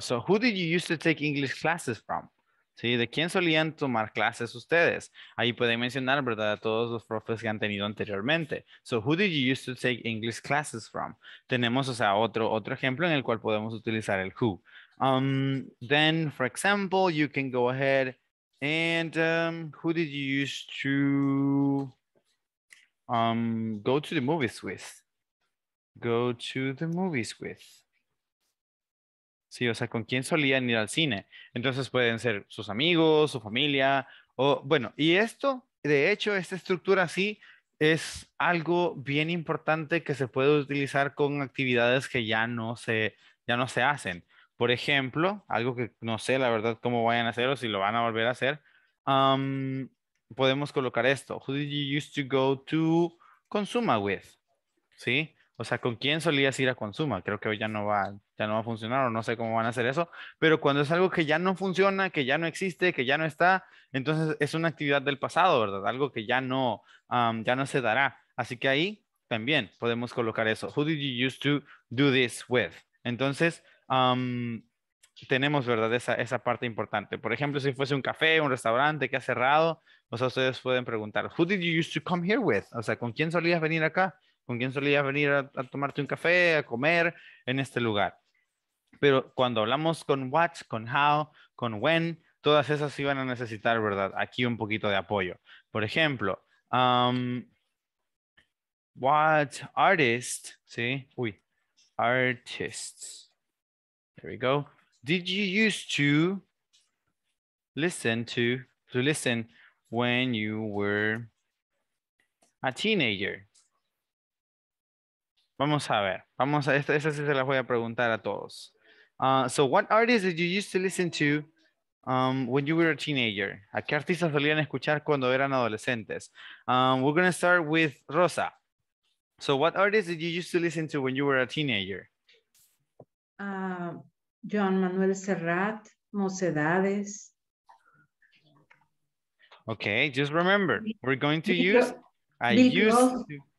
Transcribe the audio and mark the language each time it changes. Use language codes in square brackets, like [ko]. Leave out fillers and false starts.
[en] So, who did you used to take English classes from? [es] ¿Sí? ¿De quién solían tomar clases ustedes? Ahí pueden mencionar, ¿verdad? A todos los profes que han tenido anteriormente. [en] So, who did you used to take English classes from? [es] Tenemos, o sea, otro ejemplo en el cual podemos utilizar el who. [en] Then, for example, you can go ahead and who did you use to go to the movies with? Go to the movies with. [es] Sí, o sea, ¿con quién solían ir al cine? Entonces pueden ser sus amigos, su familia, o bueno, y esto, de hecho, esta estructura sí es algo bien importante que se puede utilizar con actividades que ya no se hacen. Por ejemplo, algo que no sé la verdad cómo vayan a hacer o si lo van a volver a hacer, podemos colocar esto. [en] Who did you used to go to Consuma with? [es] ¿Sí? O sea, ¿con quién solías ir a Consuma? Creo que hoy ya no va a funcionar o no sé cómo van a hacer eso. Pero cuando es algo que ya no funciona, que ya no existe, que ya no está, entonces es una actividad del pasado, ¿verdad? Algo que ya no se dará. Así que ahí también podemos colocar eso. [en] Who did you used to do this with? [es] Entonces, tenemos, ¿verdad? Esa parte importante. Por ejemplo, si fuese un café, un restaurante que ha cerrado, o sea, ustedes pueden preguntar, [en] who did you used to come here with? [es] O sea, ¿con quién solías venir acá? ¿Con quién solías venir a tomarte un café, a comer en este lugar? Pero cuando hablamos con what, con how, con when, todas esas iban a necesitar, ¿verdad? Aquí un poquito de apoyo. Por ejemplo, what artist, ¿sí? [en] Uy, artists. There we go. Did you used to listen when you were a teenager? [es] Vamos a ver. Esta sí se la voy a preguntar a todos. [en] So what artists did you used to listen to when you were a teenager? [es] ¿A qué artistas solían escuchar cuando eran adolescentes? [en] We're going to start with Rosa. So what artists did you used to listen to when you were a teenager? Joan Manuel Serrat, Mocedades. Okay, just remember, we're going to use, I used to listen to.